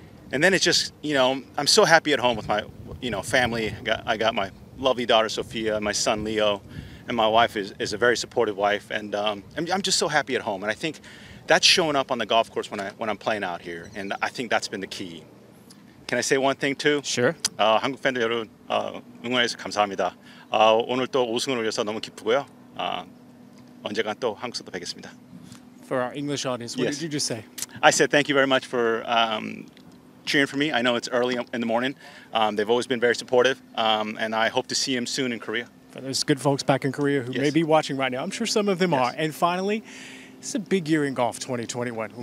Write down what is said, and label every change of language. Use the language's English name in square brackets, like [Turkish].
[English] And then it's just, you know, I'm so happy at home with my, you know, family. I got my lovely daughter, Sophia, and my son, Leo, and my wife is a very supportive wife. And I'm just so happy at home. And I think that's showing up on the golf course when I'm playing out here. And I think that's been the key. Can I say one thing, too? Sure. [Korean] 한국 팬들 여러분, 응원해서 감사합니다. 오늘 또 우승을 위해서 너무 기쁘고요. 언젠간 또 한국에서 또 뵙겠습니다. [English] For our English audience, what yes. did you just say? I said thank you very much for cheering for me. I know it's early in the morning. They've always been very supportive, and I hope to see him soon in Korea. For those good folks back in Korea who yes. may be watching right now, I'm sure some of them yes. are. And finally, it's a big year in golf, 2021.